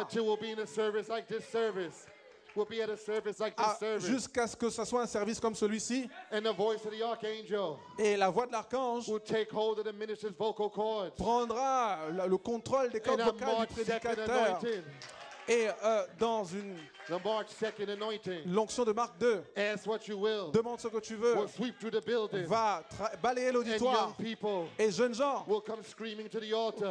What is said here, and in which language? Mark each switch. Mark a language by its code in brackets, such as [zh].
[en] until we'll be in a service like this service. We'll be at a service like this service. [fr] Jusqu'à ce que ce soit un service comme celui-ci. [en] And the voice of the archangel. [fr] Et la voix de l'archange. [en] Will take hold of the minister's vocal cords. [fr] Prendra le contrôle des cordes vocales du prédicateur. Et dans une [en] the March 2nd anointing. [fr] L'onction de Marc 2. [en] Ask what you will. [fr] Demande ce que tu veux. [en] Will sweep through the building. [fr] Va balayer l'auditoire. [en] And young people. [fr] Et jeunes gens. [en] Will come screaming to the altar.